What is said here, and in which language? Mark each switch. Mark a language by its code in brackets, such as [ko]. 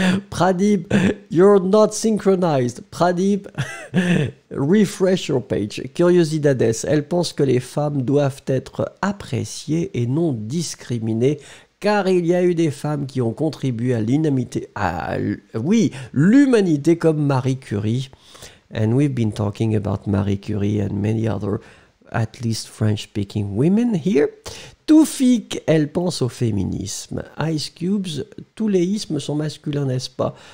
[en] Pradeep, you're not synchronized. Pradeep, refresh your page. [fr] Curiosidades, elle pense que les femmes doivent être appréciées et non discriminées. Car il y a eu des femmes qui ont contribué à l'humanité, l'humanité comme Marie Curie. [en] And we've been talking about Marie Curie and many other, at least French-speaking women here. [fr] Toufik, elle pense au féminisme. Ice Cubes, tous les ismes sont masculins, n'est-ce pas?